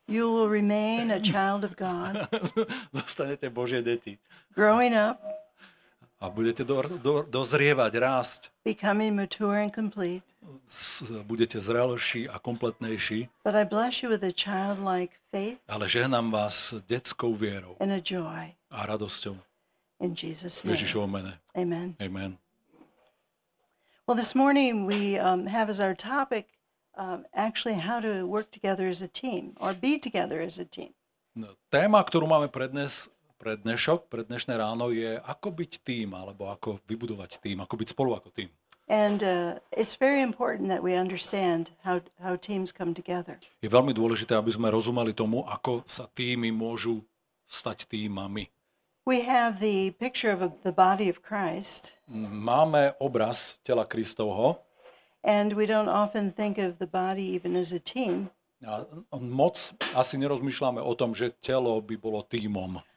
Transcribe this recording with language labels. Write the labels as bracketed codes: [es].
[en] You will remain a child of God. [sk] Zostanete Božie deti. [en] Growing up. [sk] A budete dozrievať, rásť. [en] Becoming mature and complete. [sk] Budete zrelší a kompletnejší. [en] But I bless you with a childlike faith. [sk] Ale žehnám vás detskou vierou. [en] And a joy. [sk] A radosťou. [en] In Jesus' name. [sk] Ježišovo mene. [en] Amen. [sk] Amen. [en] Well, this morning we have as our topic actually how to work together as a team or be together as a team. [sk] Téma, ktorú máme pre dnešné ráno je ako byť tým, alebo ako vybudovať tým, ako byť spolu ako tým. [en] And it's very important that we understand how teams come together. [sk] Je veľmi dôležité, aby sme rozumeli tomu, ako sa týmy môžu stať týmami. [en] We have the picture of the body of Christ. [sk] Máme obraz tela Kristovho. [en] And we don't often think of the body even as a team. [sk] A moc asi nerozmýšľame o tom, že telo by bolo tímom.